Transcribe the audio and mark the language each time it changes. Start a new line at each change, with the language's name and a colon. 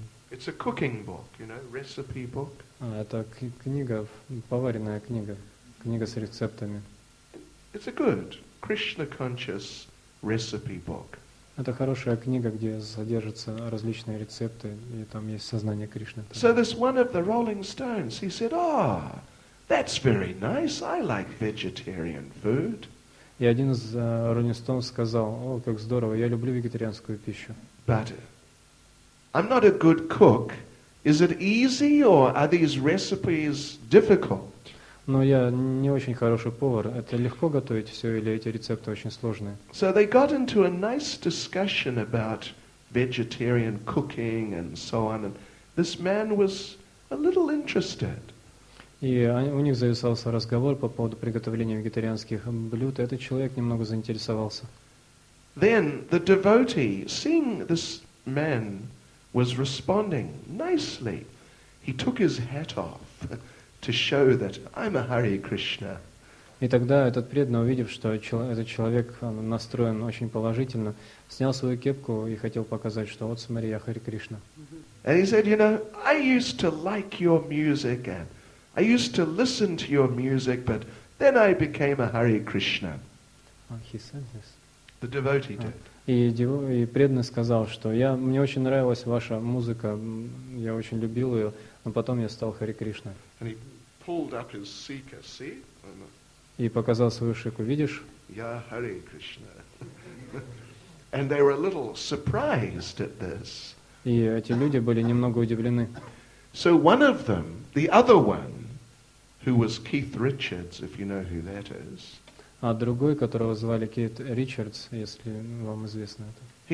English: It's a cooking book, you know, recipe book.
Russian: Это книга, поваренная книга, книга с рецептами.
English: It's a good Krishna conscious recipe book.
Russian: Это хорошая книга, где содержатся различные рецепты, и там есть сознание Кришны.
English: So this one of the Rolling Stones, he said, "Oh, that's very nice. I like vegetarian food."
Russian: И один из Rolling Stones сказал: "О, как здорово, я люблю вегетарианскую пищу."
English: But I'm not a good cook. Is it easy or are these recipes difficult?
Russian: Но я не очень хороший повар. Это легко готовить все или эти рецепты очень сложные?
English: So they got into a nice discussion about vegetarian cooking and so on. And this man was a little interested.
Russian: И у них завязался разговор по поводу приготовления вегетарианских блюд. Этот человек немного заинтересовался.
English: Then the devotee, seeing this man was responding nicely, he took his hat off to show that I'm a Hare Krishna.
Russian: И тогда этот преданный, увидев, что этот человек настроен очень положительно, снял свою кепку и хотел показать, что вот смотри, я Харе Кришна.
English: And he said, you know, I used to like your music and I used to listen to your music, but then I became a Hare Krishna. He said this. The devotee did.
Russian: И преданный сказал, что мне очень нравилась ваша музыка, я очень любил ее, но потом я стал Харе Кришна.
English: And he pulled up his sika, see?
Russian: и показал свою шику. Видишь? Я Хари Кришна.
English: And they were a little surprised at this.
Russian: И эти люди были немного удивлены.
English: So one of them, the other one, who was Keith Richards, if you know who that is.
Russian: А другой, которого звали Кит Ричардс, если вам известно это.